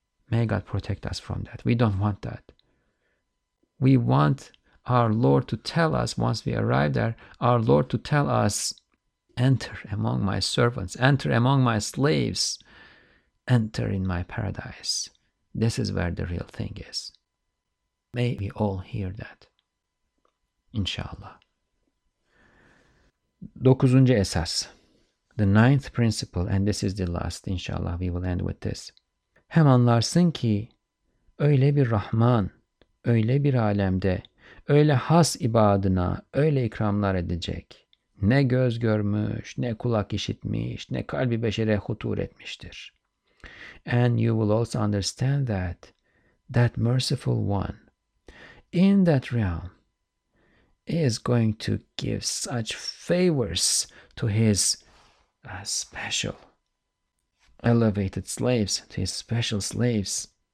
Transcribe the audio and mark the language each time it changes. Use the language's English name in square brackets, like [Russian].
[English] May God protect us from that. We don't want that. We want our Lord to tell us, once we arrive there, our Lord to tell us, "Enter among my servants, enter among my slaves, enter in my paradise. This is where the real thing is." May we all hear that. Inshallah. [Turkish] Dokuzuncu esas, [English] the ninth principle, and this is the last. Inshallah, we will end with this. [Turkish] Hem anlarsın ki, öyle bir Rahman, öyle bir alemde, öyle has ibadına, öyle ikramlar edecek. Ne göz görmüş, ne kulak işitmiş, ne kalbi beşere hutur etmiştir. [English] And you will also understand that, that merciful one, in that realm, is going to give such favors to his special elevated slaves, to his special slaves.